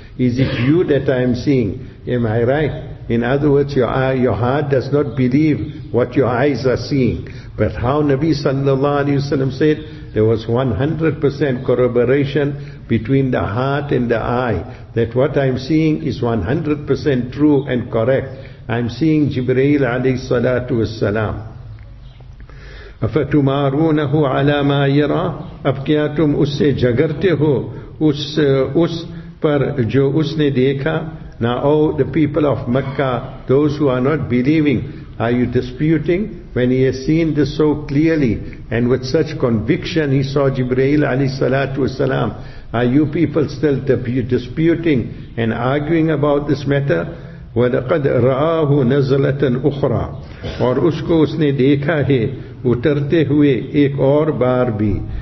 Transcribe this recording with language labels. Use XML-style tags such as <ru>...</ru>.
<en>Is it you that I am seeing? Am I right? In other words, your heart does not believe what your eyes are seeing. But how Nabi sallallahu alayhi wa sallam said, there was 100% corroboration between the heart and the eye, that what I'm seeing is 100% true and correct. I'm seeing Jibreel alayhi salatu wa sallam.</en> <ar>أَفَتُمَارُونَهُ عَلَى مَا يَرَى</ar> <ur>اب کیا تم اس سے جگرتے ہو اس پر جو اس نے دیکھا.</ur> <en>Now, oh, the people of Mecca, those who are not believing, are you disputing? When he has seen this so clearly and with such conviction, he saw Jibreel alayhi salatu wasalam, are you people still disputing and arguing about this matter?</en> <ar>وَلَقَدْ رَآهُ نَزْلَةً أُخْرَى</ar> <ur>اور اس کو اس نے دیکھا ہے اترتے ہوئے ایک اور بار بھی.</ur>